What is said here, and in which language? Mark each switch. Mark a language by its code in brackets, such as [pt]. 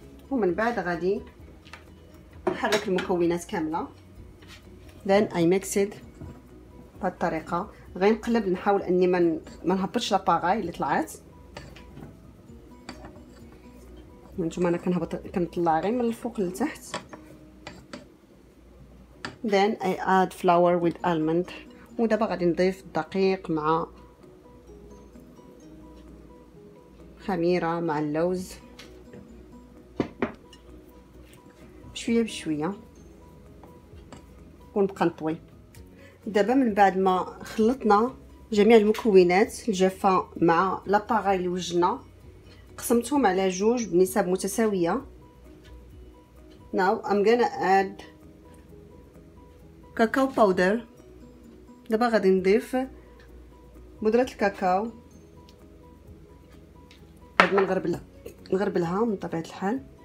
[ar] ومن بعد غادي نحرك المكونات كامله، [en] then I mix it [ar] بهذه الطريقه. غير نقلب، نحاول اني ما نهبطش لاباغاي اللي طلعت. انتما انا كنهبط كنطلع غير من الفوق لتحت، [en] then I add flour with almond. [ar] ودابا غادي نضيف الدقيق مع خميرة مع اللوز شوية بشوية ونبقى نطوي. دابا من بعد ما خلطنا جميع المكونات الجافة مع لاباغاي اللي وجدنا قسمتهم على جوج بنسب متساوية. [en] Now I'm gonna add cocoa powder. [ar] دابا غادي نضيف بودرة الكاكاو بعد ما نغربلها من طبيعة الحال.